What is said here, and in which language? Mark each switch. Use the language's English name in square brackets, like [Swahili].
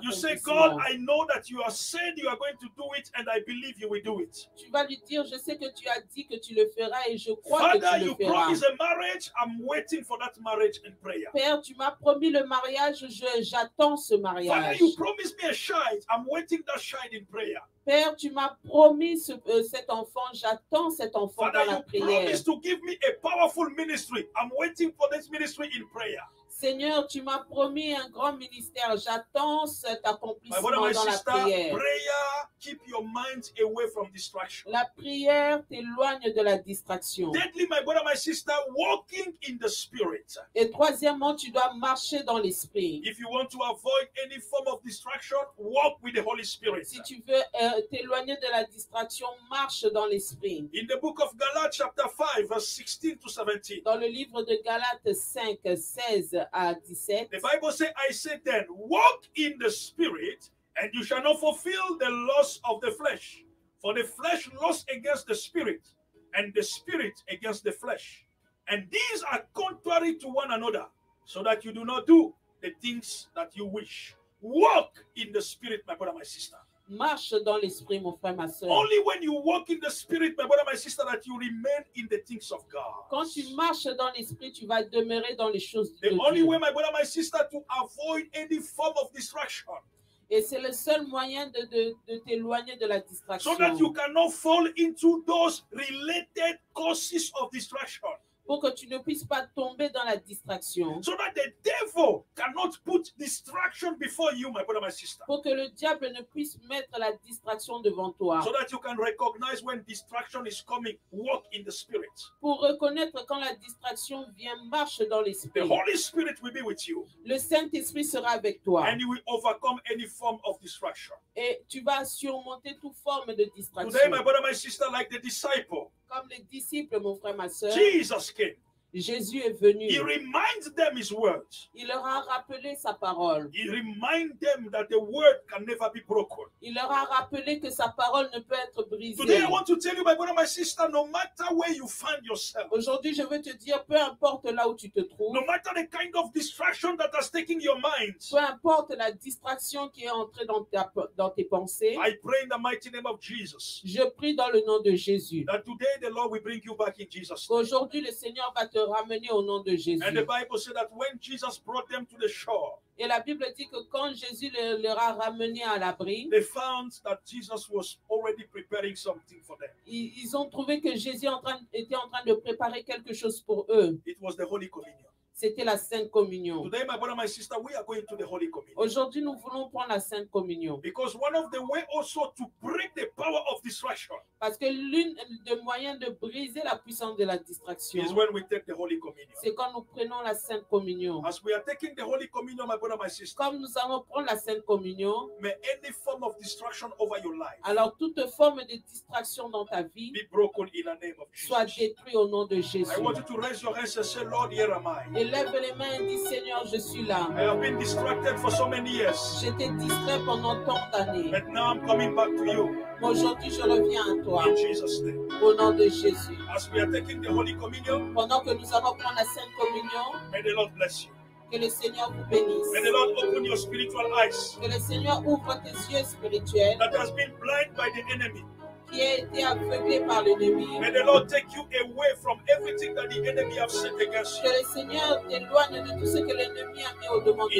[English] You say, God, I know that you have said you are going to do it, and I believe you will do it. [French] Tu vas lui dire, je sais que tu as dit que tu le feras, et je crois [English] Father, [French] que tu le feras. [English] Father, you promised a marriage. I'm waiting for that marriage in prayer. [French] Père, tu m'as promis le mariage. J'attends ce mariage. [English] Father, you promised me a child. I'm waiting that child in prayer. [French] Père, tu m'as promis cet enfant. J'attends cet enfant [English] Father, [French] dans la [English] you Father, you promised to give me a powerful ministry. I'm waiting for this ministry in prayer. [French] Seigneur, tu m'as promis un grand ministère. J'attends cet accomplissement dans la prière. [English] Prayer, keep your mind away from distraction. [French] La prière t'éloigne de la distraction. [English] Deadly, my brother, my sister, walking in the spirit. [French] Et troisièmement, tu dois marcher dans l'esprit. [English] If you want to avoid any form of distraction, walk with the Holy Spirit. [French] Si tu veux t'éloigner de la distraction, marche dans l'esprit. [English] In the book of Galates, chapter 5, verse 16 to 17. [French] Dans le livre de Galates 5, 16. À 17. [English] The Bible says, I say then, walk in the spirit, and you shall not fulfill the lust of the flesh. For the flesh lusts against the spirit, and the spirit against the flesh. And these are contrary to one another, so that you do not do the things that you wish. Walk in the spirit, my brother, my sister. [French] Marche dans l'esprit, mon frère, ma soeur. [English] Only when you walk in the spirit, my brother, my sister, that you remain in the things of God. [French] Quand tu marches dans l'esprit, tu vas demeurer dans les choses de Dieu. [English] The only way, my brother, my sister, to avoid any form of distraction. [French] Et c'est le seul moyen de t'éloigner de la distraction. [English] So that you cannot fall into those related causes of distraction. [French] Pour que tu ne puisses pas tomber dans la distraction. [English] So that the devil cannot put distraction before you, my brother, my sister. [French] Pour que le diable ne puisse mettre la distraction devant toi. [English] So that you can recognize when distraction is coming, walk in the spirit. [French] Pour reconnaître quand la distraction vient, marche dans l'esprit. [English] The Holy Spirit will be with you. [French] Le Saint-Esprit sera avec toi. [English] And you will overcome any form of distraction. [French] Et tu vas surmonter toute forme de distraction. [English] Today, my brother, my sister, like the disciple. [French] Comme les disciples, mon frère, ma soeur, [English] Jesus came. [French] Jésus est venu. [English] He reminds them his words. [French] Il leur a rappelé sa parole. [English] He reminds them that the word can never be broken. [French] Il leur a rappelé que sa parole ne peut être brisée. [English] Today I want to tell you, my brother, my sister, no matter where you find yourself. [French] Aujourd'hui, je veux te dire, peu importe là où tu te trouves. [English] No matter the kind of distraction that has taken your mind. [French] Peu importe la distraction qui est entrée dans tes pensées. [English] I pray in the mighty name of Jesus. [French] Je prie dans le nom de Jésus. [English] That today the Lord will bring you back in Jesus' name. [French] Aujourd'hui, le Seigneur va te ramener au nom de Jésus. [English] And the Bible says that when Jesus brought them to the shore, [French] et la Bible dit que quand Jésus leur a ramené à l'abri, [English] they found that Jesus was already preparing something for them. [French] Ils ont trouvé que Jésus était en train de préparer quelque chose pour eux. [English] It was the Holy Communion. [French] C'était la Sainte Communion. [English] Today, my brother, my sister, we are going to the Holy Communion. [French] Aujourd'hui, nous voulons prendre la Sainte Communion. [English] Because one of the ways also to break the power of distraction. [French] Parce que l'une des moyens de briser la puissance de la distraction. [English] Is when we take the Holy Communion. [French] C'est quand nous prenons la Sainte Communion. [English] As we are taking the Holy Communion, my brother, my sister. [French] Comme nous allons prendre la Sainte Communion. [English] May any form of distraction over your life. [French] Alors toute forme de distraction dans ta vie. [English] Be broken in the name of Jesus. [French] Soit détruit au nom de Jésus. [English] I want you to raise your hands and say, Lord, here am I. [French] Lève les mains et dis, Seigneur, je suis là. [English] I have been distracted for so many years. [French] J'étais distrait pendant tant d'années. [English] But now I'm coming back to you. [French] Aujourd'hui, je reviens à toi. [English] In Jesus' name. [French] Au nom de Jésus. [English] As we are taking the Holy Communion. [French] Pendant que nous allons prendre la Sainte Communion. [English] May the Lord bless you. [French] Que le Seigneur vous bénisse. [English] May the Lord open your spiritual eyes. [French] Que le Seigneur ouvre tes yeux spirituels. [English] That has been blind by the enemy. [French] Qui a été aveuglé par l'ennemi. [English] May the Lord take you away from everything that the enemy has set against you. [French] Que le Seigneur t'éloigne de tout ce que l'ennemi a mis au devant de toi.